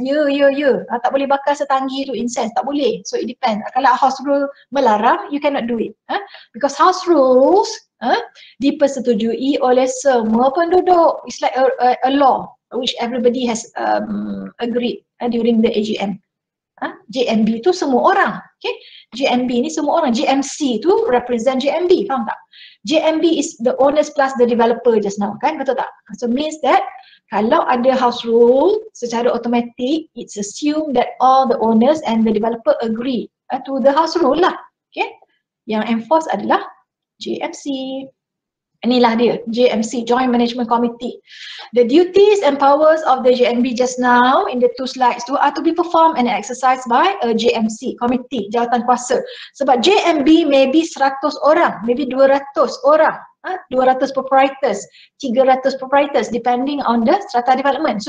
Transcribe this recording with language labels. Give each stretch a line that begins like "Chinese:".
Malay: Tak boleh bakar setanggi tu
English: incense,
Malay: tak boleh.
English: So it depends.
Malay: Kalau
English: house rule
Malay: melarang,
English: you cannot do it. Because house rules
Malay: dipersetujui oleh semua penduduk.
English: It's like a law which everybody has agreed during the AGM.
Malay: JMB tu semua orang, okay? JMB ni semua orang.
English: JMC tu represent JMB,
Malay: faham tak?
English: JMB is the owners plus the developer just now,
Malay: kan? Betul tak?
English: So means that
Malay: kalau ada
English: house rule,
Malay: secara automatic
English: it's assumed that all the owners and the developer agree to the house rule lah, okay?
Malay: Yang enforce adalah JMC. Inilah dia, JMC, Joint Management Committee.
English: The duties and powers of the JMB just now in the two slides tu are to be performed and exercised by a JMC, committee,
Malay: jawatankuasa. Sebab
English: JMB maybe 100 orang, maybe 200 orang, 200 proprietors, 300 proprietors depending on the strata development.